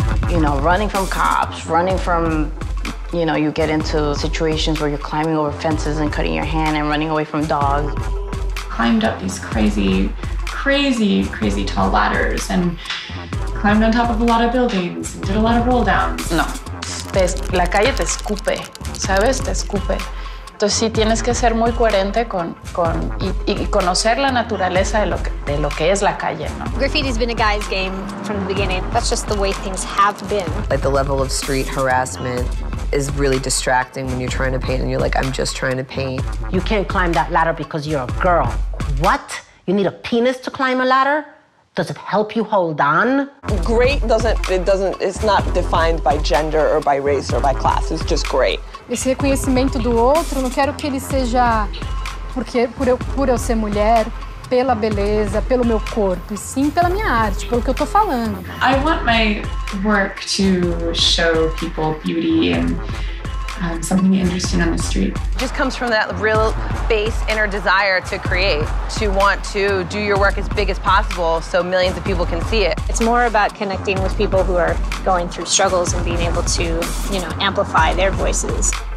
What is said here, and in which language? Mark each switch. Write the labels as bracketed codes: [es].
[en] You know, running from cops, running from, you know, you get into situations where you're climbing over fences and cutting your hand and running away from dogs. Climbed up these crazy, crazy, crazy tall ladders and climbed on top of a lot of buildings and did a lot of roll downs. [es] No. La calle te escupe, ¿sabes? Te escupe. Entonces sí tienes que ser muy coherente y conocer la naturaleza de lo que es la calle, ¿no? [en] Graffiti's been a guy's game from the beginning. That's just the way things have been. Like the level of street harassment is really distracting when you're trying to paint and you're like, I'm just trying to paint. You can't climb that ladder because you're a girl. What? You need a penis to climb a ladder? Does it help you hold on? Great doesn't, it's not defined by gender or by race or by class. It's just great. [pt] Esse reconhecimento do outro, não quero que ele seja por eu ser mulher, pela beleza, pelo meu corpo, e sim pela minha arte, pelo que eu tô falando. [en] I want my work to show people beauty and something interesting on the street. It just comes from that real base inner desire to create, to want to do your work as big as possible so millions of people can see it. It's more about connecting with people who are going through struggles and being able to, you know, amplify their voices.